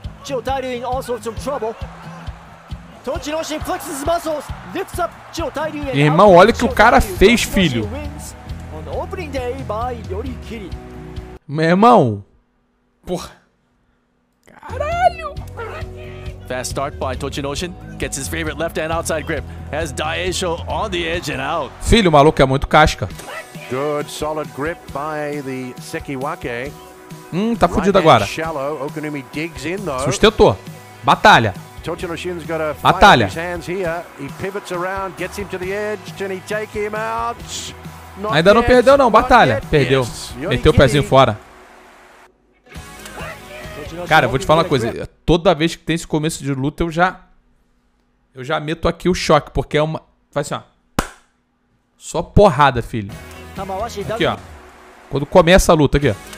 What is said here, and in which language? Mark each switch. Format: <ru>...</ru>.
<en>Jiutaryu in all sorts of trouble. Tochinoshi flexes his muscles, lifts up Jiutaryu and...</en> <pt>Irmão, olha o que o cara fez, filho.</pt> <en>On the opening day by Yorikiri.</en> <pt>Meu irmão. Porra. Caralho.</pt> <en>Fast start by Tochinoshin. Gets his favorite left hand outside grip. Has Daisho on the edge and out.</en> <pt>Filho, o maluco é muito casca.</pt> <en>Good solid grip by the Sekiwake.</en> <pt>Tá fudido agora.</pt> <en>Shallow, Okunomi digs in though.</en> <pt>Sustentou. Batalha.</pt> <en>Tochinoshin's got a</en> <pt>batalha.</pt> <en>He pivots around, gets him to the edge. Can he take him out?</en> <pt>Not ainda yet, não perdeu não, batalha. Perdeu. Meteu o pezinho fora. Cara, eu vou te falar uma coisa. Toda vez que tem esse começo de luta, eu já meto aqui o choque, porque é uma... Faz assim, ó. Só porrada, filho. Aqui, ó. Quando começa a luta, aqui, ó.</pt>